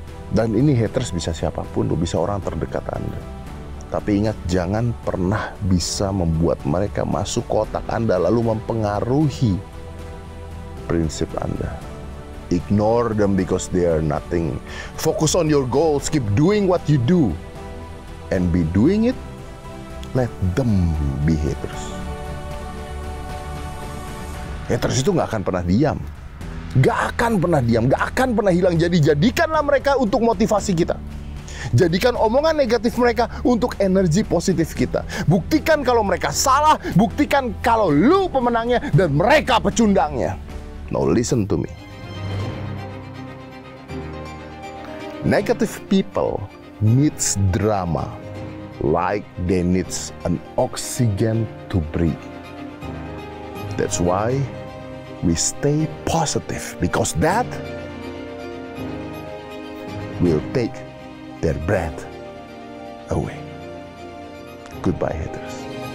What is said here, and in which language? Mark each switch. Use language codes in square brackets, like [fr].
[id] Dan ini haters bisa siapapun, lo bisa orang terdekat Anda. Tapi ingat, jangan pernah bisa membuat mereka masuk kotak Anda lalu mempengaruhi prinsip Anda. [en] Ignore them because they are nothing. Focus on your goals, keep doing what you do. And be doing it, let them be haters. [id] Haters itu gak akan pernah diam. Gak akan pernah hilang. Jadi jadikanlah mereka untuk motivasi kita. Jadikan omongan negatif mereka untuk energi positif kita. Buktikan kalau mereka salah, buktikan kalau lu pemenangnya dan mereka pecundangnya. [en] Now listen to me. Negative people needs drama like they needs an oxygen to breathe. That's why we stay positive, because that will take their breath away. Goodbye, haters.